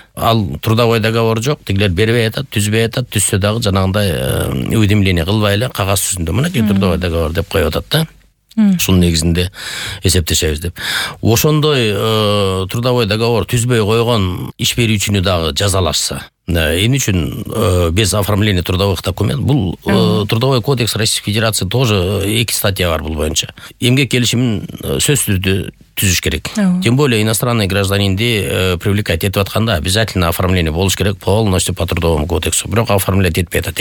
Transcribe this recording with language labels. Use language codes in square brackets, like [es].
[ky] Ал трудовой договор жок, тигилер бербей атат, түзбөй атат, түзсө дагы жанагындай уведомление кылбай эле кагаз жүзүндө мынакей трудовой договор деп коюп атат да. Ушунун негизинде эсептешебиз деп. Ошондой трудовой договор түзбөй койгон иш берүүчүнү дагы жазалашса, [ru] эмне үчүн без оформления трудовых документов? [ky] Бул [ru] трудовой кодекс Российской Федерации тоже 2 статья [ky] бар бул боюнча. Эмгек келишимин сөзсүз түрдө түзүш керек. [ru] Тем более иностранный гражданинди привлекать [ky] этип атканда [ru] обязательно оформление [ky] болуш керек [ru] полностью по трудовому кодексу. [ky] Бирок оформлять этпей атат.